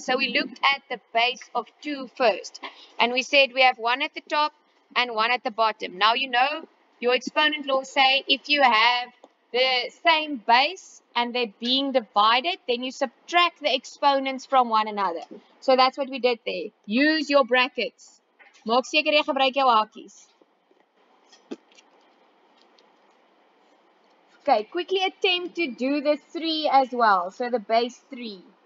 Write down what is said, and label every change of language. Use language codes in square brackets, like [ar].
[en] So we looked at the base of 2 first. And we said we have one at the top and one at the bottom. Now you know, your exponent law say if you have the same base and they're being divided, then you subtract the exponents from one another. So that's what we did there. Use your brackets. [af] Maak seker jy gebruik jou hakies. [en] Okay, quickly attempt to do the 3 as well. So the base 3.